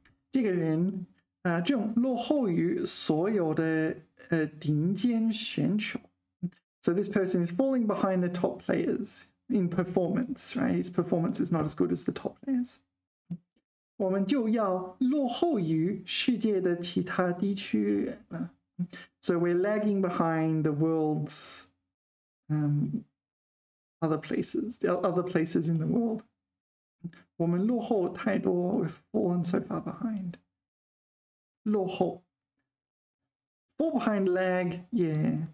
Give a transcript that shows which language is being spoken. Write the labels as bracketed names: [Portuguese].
[Chinese] 这个人 这种落后于所有的顶尖选手. [English] So this person is falling behind the top players in performance, right? His performance is not as good as the top players. [Chinese] 我们就要落后于世界的其他地区. [English] So we're lagging behind the world's other places, the other places in the world. [Chinese] 我们落后太多, [English] we've fallen so far behind. 落后, Four behind lag, yeah.